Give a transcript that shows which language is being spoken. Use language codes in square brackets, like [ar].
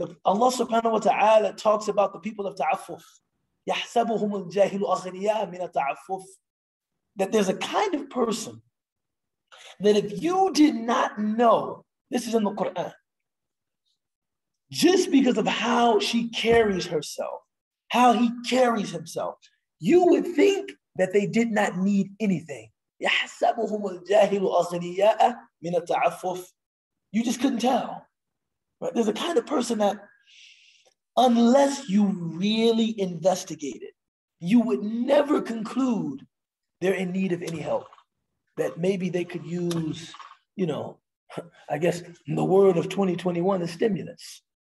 [en] Allah subhanahu wa ta'ala talks about the people of ta'affuf. [ar] يَحْسَبُهُمُ الْجَاهِلُ أَغْنِيَاءَ مِنَ التَّعَفُّفِ [en] That there's a kind of person that if you did not know, this is in the Quran, just because of how she carries herself, how he carries himself, you would think that they did not need anything. [ar] يَحْسَبُهُمُ الْجَاهِلُ أَغْنِيَاءَ مِنَ التَّعَفُّفِ [en] You just couldn't tell. Right? There's a kind of person that, unless you really investigate it, you would never conclude they're in need of any help. That maybe they could use, you know, I guess in the word of 2021, a stimulus.